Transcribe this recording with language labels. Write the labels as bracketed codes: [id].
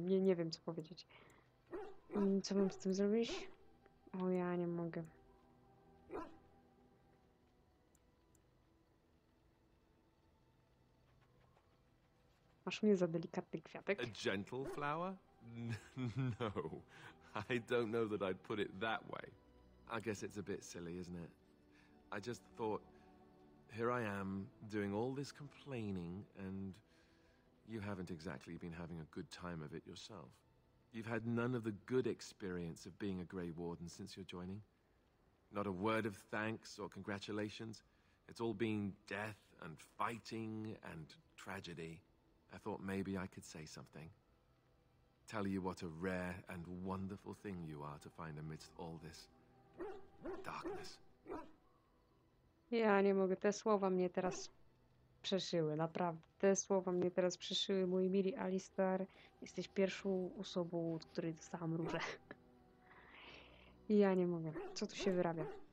[pl] Nie wiem, co powiedzieć. Co mam z tym zrobić? O, ja nie mogę. Masz mnie za delikatny kwiatek? [en] A gentle flower? No. I don't know that I'd put it that way. I guess it's a bit silly, isn't it? I just thought, here I am, doing all this complaining, and you haven't exactly been having a good time of it yourself. You've had none of the good experience of being a Grey Warden since your joining. Not a word of thanks or congratulations. It's all been death and fighting and tragedy. I thought maybe I could say something. Tell you what a rare and wonderful thing you are to find amidst all this darkness. [pl] Ja nie mogę, te słowa mnie teraz przeszyły, naprawdę. Te słowa mnie teraz przeszyły, mój mili Alistair. Jesteś pierwszą osobą, od której dostałam róże. Ja nie mogę, co tu się wyrabia?